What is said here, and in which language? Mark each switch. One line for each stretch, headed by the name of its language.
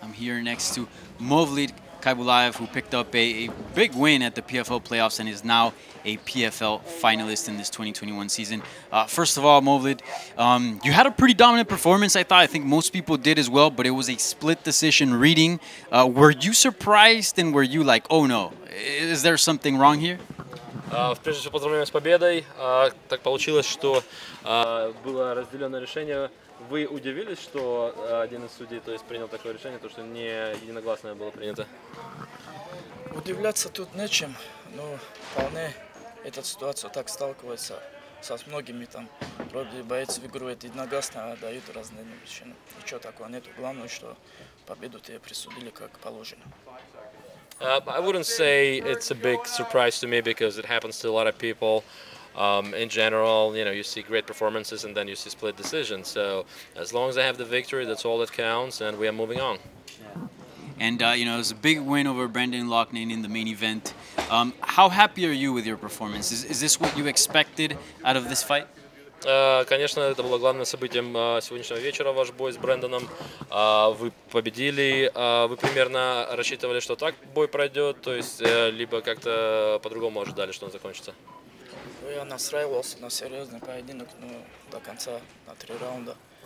English: I'm here next to Movlid Khaybulaev, who picked up a big win at the PFL playoffs and is now a PFL finalist in this 2021 season. First of all, Movlid, you had a pretty dominant performance, I thought. I think most people did as well, but it was a split decision reading. Were you surprised and were you like, oh no, is there something wrong here?
Russian: Прежде всего, поздравляю с победой. Так получилось, что было разделено решение. Вы удивились, что один из судей, то есть, принял такое решение, то, что не единогласное было принято? Удивляться тут нечем, но вполне эта ситуация так сталкивается со многими там. Вроде боец в игру это единогласно, а дают разные причины. Ничего такого нету. Главное, что победу тебе присудили как положено.
English: I wouldn't say it's a big surprise to me because it happens to a lot of people. In general, you know, you see great performances and then you see split decisions. So as long as I have the victory, that's all that counts, and we are moving on. And, you know, it was a big win over Brendan Loughnane in the main event. How happy are you with your performance? Is this what you expected out of this fight?
Russian: Конечно, это было главным событием сегодняшнего вечера, ваш бой с Брэндоном. Вы победили. Вы примерно рассчитывали, что так бой пройдет, то есть либо как-то по-другому ожидали, что он закончится? Я настраивался на серьезный поединок, но до конца, на три раунда.